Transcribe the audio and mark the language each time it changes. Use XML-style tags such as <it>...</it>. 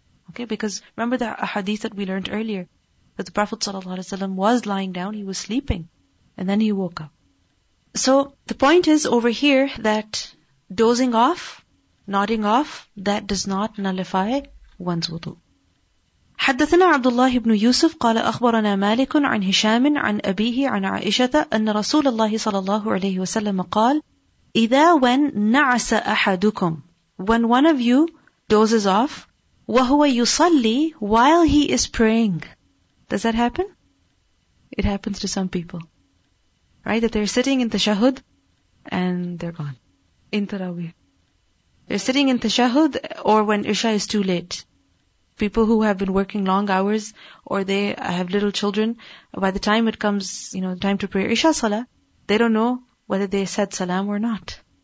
<en>Okay, because remember the hadith that we learned earlier, that the Prophet ﷺ was lying down, he was sleeping, and then he woke up. So the point is over here that dozing off, nodding off, that does not nullify one's wudu.</en> <ar>حدثنا عبد الله بن يوسف قال أخبرنا مالك عن هشام عن أبيه عن عائشة أن رسول الله صلى الله عليه وسلم قال إذا</ar> <en>when</en> <ar>نعس أحدكم,</ar> <en>when one of you dozes off,</en> <ar>وهو يصلي</ar> <en>while he is praying. Does that happen? It happens to some people. Right? That they're sitting in tashahud and they're gone. In tarawih. They're sitting in tashahud or when Isha is too late. People who have been working long hours or they have little children, by the time it comes, you know, time to pray Isha Salah, they don't know whether they said salam or not.</en>